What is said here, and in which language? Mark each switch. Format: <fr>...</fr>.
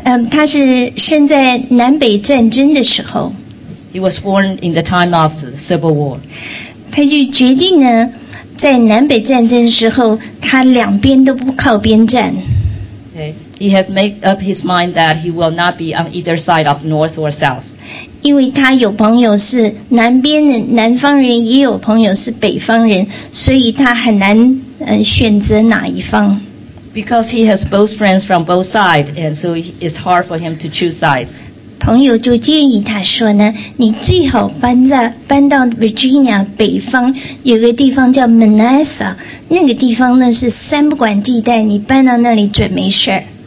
<zh>他是生在南北战争的时候。</zh> <en>He was born in the time of the Civil War。</en> <zh>他就决定呢，在南北战争的时候，他两边都不靠边站。</zh> <en>He had made up his mind that he will not be on either side of North or South.</en> <zh>因为他有朋友是南边人，南方人也有朋友是北方人，所以他很难选择哪一方。</zh> <en>Because he has both friends from both sides, and so it's hard for him to choose sides.</en> <zh>朋友就建议他说呢，你最好搬到 Virginia 北方，有个地方叫 Manassa， 那个地方呢是三不管地带，你搬到那里准没事儿。</zh>